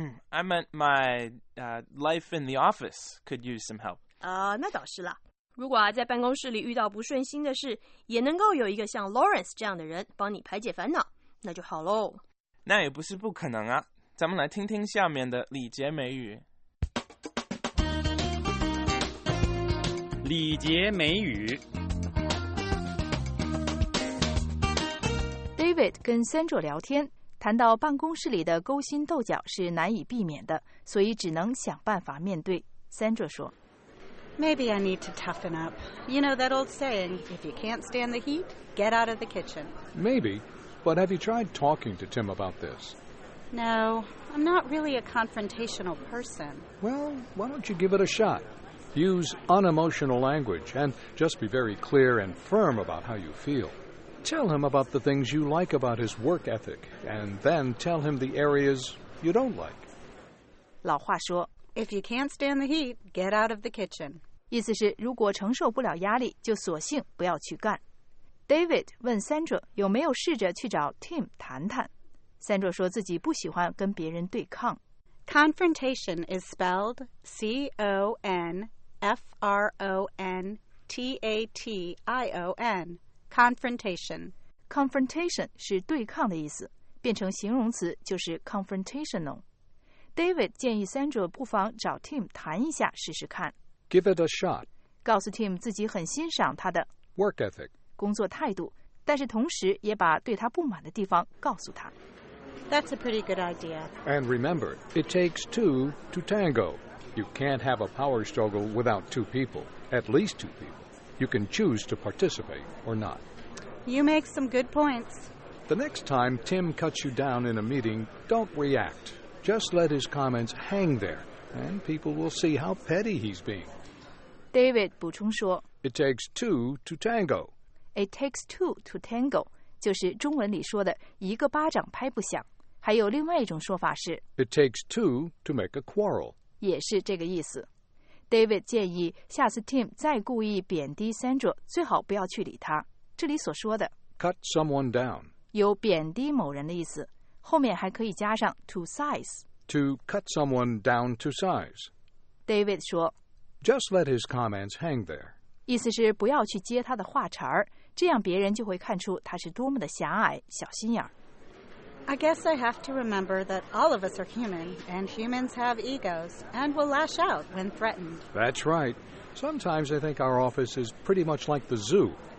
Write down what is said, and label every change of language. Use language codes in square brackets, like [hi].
[en] I meant my life in the office could use some help. [zh] 那倒是啦。如果在办公室里遇到不顺心的事，也能够有一个像 Lawrence 这样的人帮你排解烦恼，那就好喽。那也不是不可能啊。咱们来听听下面的礼节美语。礼节美语。 David 跟 Sandra 聊天，谈到办公室里的勾心斗角是难以避免的，所以只能想办法面对。Sandra 说。 [en] Maybe I need to toughen up. You know that old saying, if you can't stand the heat, get out of the kitchen. Maybe, but have you tried talking to Tim about this? No, I'm not really a confrontational person. Well, why don't you give it a shot? Use unemotional language and just be very clear and firm about how you feel. Tell him about the things you like about his work ethic, and then tell him the areas you don't like. [zh] 老话说 [en] If you can't stand the heat, get out of the kitchen. [zh] 意思是如果承受不了压力就索性不要去干。 David 问 Sandra 有没有试着去找 Tim 谈谈。 Sandra 说自己不喜欢跟别人对抗。 [en] Confrontation is spelled C-O-N-F-R-O-N-T-A-T-I-O-N. Confrontation. [zh] Confrontation 是对抗的意思，变成形容词就是 confrontational。 David 建议 Sandra 不妨找 Tim 谈一下试试看。 [en] Give it a shot. [zh] 告诉 Tim 自己很欣赏他的 [en] work ethic [zh] 工作态度，但是同时也把对他不满的地方告诉他。 [en] That's a pretty good idea. And remember, it takes two to tango. You can't have a power struggle without two people, at least two people. You can choose to participate or not. You make some good points. The next time Tim cuts you down in a meeting, don't react. Just let his comments hang there, and people will see how petty he's being. [zh] David 补充说, [en] It takes two to tango. It takes two to tango, [zh] 就是中文里说的一个巴掌拍不响。还有另外一种说法是 [en] It takes two to make a quarrel. [zh] 也是这个意思。David 建议下次 Tim 再故意贬低 Sandra, 最好不要去理他。这里所说的 [en] Cut someone down. [zh] 有贬低某人的意思。后面还可以加上 to size. [en] To cut someone down to size. [zh] David 说 [en] Just let his comments hang there. [zh] 意思是不要去接他的话茬儿，这样别人就会看出他是多么的狭隘、小心眼儿。 [en] I guess I have to remember that all of us are human, and humans have egos, and will lash out when threatened. That's right. Sometimes I think our office is pretty much like the zoo.